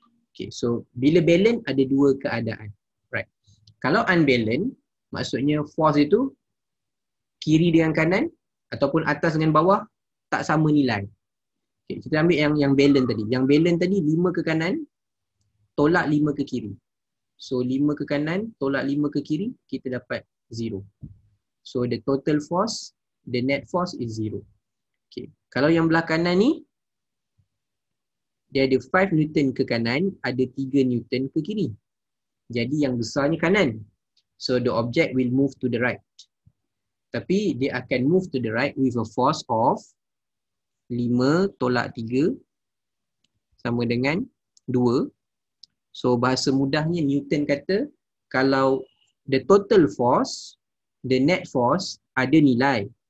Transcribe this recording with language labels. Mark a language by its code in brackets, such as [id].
[ms] Okay, so bila balance ada dua keadaan. Right. Kalau unbalanced, maksudnya force itu kiri dengan kanan ataupun atas dengan bawah tak sama nilai. Okay, kita ambil yang balanced tadi. Yang balanced tadi 5 ke kanan, tolak 5 ke kiri. So 5 ke kanan, tolak 5 ke kiri, kita dapat 0. [en] So the total force, the net force is 0. Okay. [ms] Kalau yang belah kanan ni, dia ada 5 Newton ke kanan, ada 3 Newton ke kiri. Jadi yang besarnya kanan. [en] So the object will move to the right. [ms] Tapi dia akan [en] move to the right with a force of 5 [ms] tolak 3 sama dengan 2. So bahasa mudahnya Newton kata kalau [en] the total force, the net force [ms] ada nilai.